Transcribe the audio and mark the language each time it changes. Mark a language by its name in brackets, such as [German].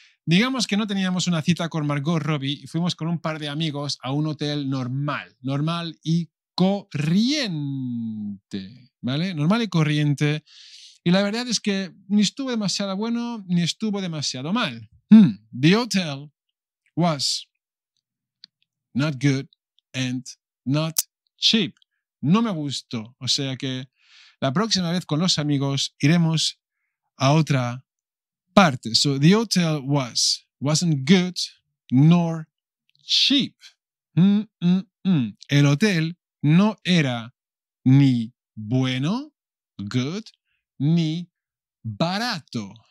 [Spanish] Digamos que no teníamos una cita con Margot Robbie y fuimos con un par de amigos a un hotel normal, normal y corriente, ¿vale? Normal y corriente. Y la verdad es que ni estuvo demasiado bueno ni estuvo demasiado mal. [English] The hotel was not good and not cheap. [Spanish] No me gustó. O sea que la próxima vez con los amigos iremos a otra parte. [English] So the hotel wasn't good nor cheap. [Spanish] El hotel no era ni bueno, good, ni barato.